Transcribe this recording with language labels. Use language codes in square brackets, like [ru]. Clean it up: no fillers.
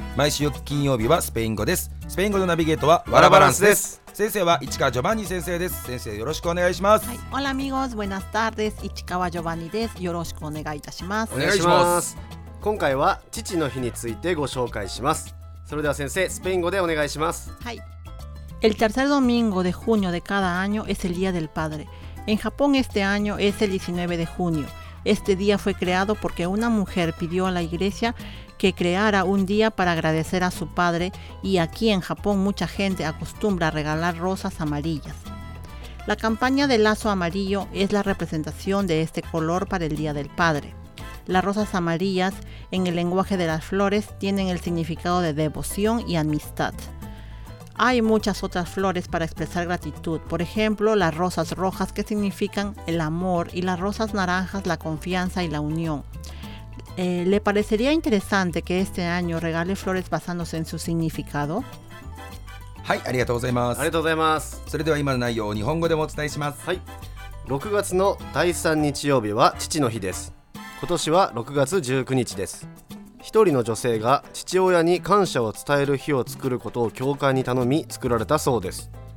[ja] 毎週金曜日はスペイン語です。スペイン語のナビゲートはワラバランスです。先生は市川ジョバンニ先生です。先生よろしくお願いします。 [es] オラミゴス、ブエナスタール [ja] です。市川ジョバンニです。よろしくお願いいたします。お願いします。今回は父の日についてご紹介します。それでは先生、スペイン語でお願いします。はい。 [es] El tercer domingo de junio de cada año es el Día del Padre. En Japón este año es el 19 de junio. Este día fue creado porque una mujer pidió a la iglesia que creara un día para agradecer a su padre y aquí en Japón mucha gente acostumbra a regalar rosas amarillas. La campaña de lazo amarillo es la representación de este color para el Día del Padre. Las rosas amarillas, en el lenguaje de las flores, tienen el significado de devoción y amistad. Hay muchas otras flores para expresar gratitud, por ejemplo, las rosas rojas que significan el amor y las rosas naranjas la confianza y la unión. ¿Le parecería interesante que este año regale flores basándose en su significado? [ja] はい、ありがとうございます。ありがとうございます。それでは今の内容を日本語でもお伝えします。はい。 6月の第3日曜日は父の日です。今年は6月19日です。一人の女性が父親に感謝を伝える日を作ることを教会に頼み作られたそうです。